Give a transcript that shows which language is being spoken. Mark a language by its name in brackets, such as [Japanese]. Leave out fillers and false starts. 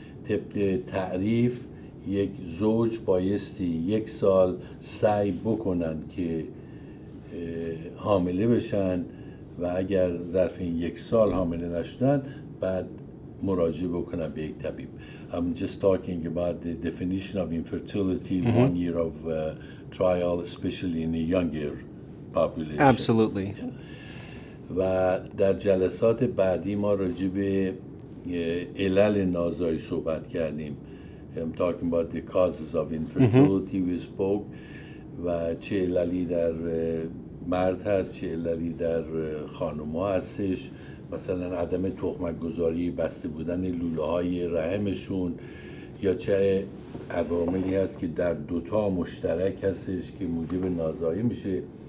[Persian] طبق تعریف یک زوج بایستی 1 سال سعی بکنن که حامله بشن، و اگر ظرف این 1 سال حامله نشدن، بعد مراجعه بکنن به یک طبیب. [English] I'm just talking about the definition of infertility, one year of trial, especially in a younger population. Absolutely. [Persian] و در جلسات بعدی ما راجع به علل نازایی صحبت کردیم. [English] I'm talking about the causes of infertility. We spoke. [Persian] و چه عللی در مرد هست، چه عللی در خانوما هستش، مثلا عدم تخمک گذاری، بسته بودن لوله های رحمشون، یا چه عواملی هست که در دوتا مشترک هستش که موجب نازایی میشه.